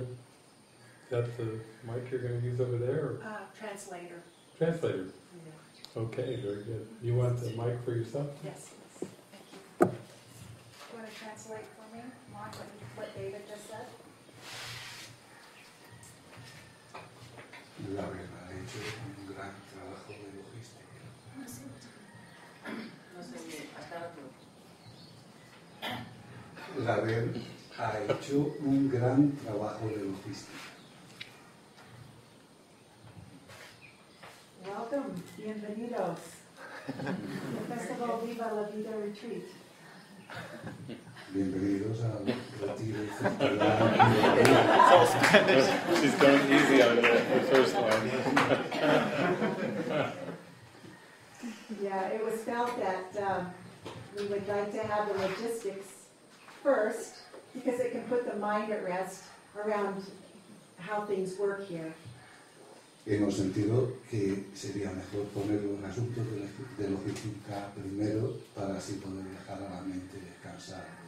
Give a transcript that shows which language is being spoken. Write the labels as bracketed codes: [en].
[en] Is that the mic you're going to use over there? Translator. Translator? Yeah. Okay, very good. You want the mic for yourself? Yes, yes. Thank you. You want to translate for me, Mark, what David just said? [es] La verdad, he hecho un gran trabajo de logística. No sé qué, hasta otro. La verdad, ha hecho un gran trabajo de logística. [en] Welcome, bienvenidos. The festival Viva la Vida retreat. [es] Bienvenidos al retiro. [en] It's all Spanish. She's going easy on the first one. Yeah, it was felt that we would like to have the logistics first because it can put the mind at rest around how things work here. [es] En el sentido que sería mejor poner un asunto de logística primero para así poder dejar a la mente descansar.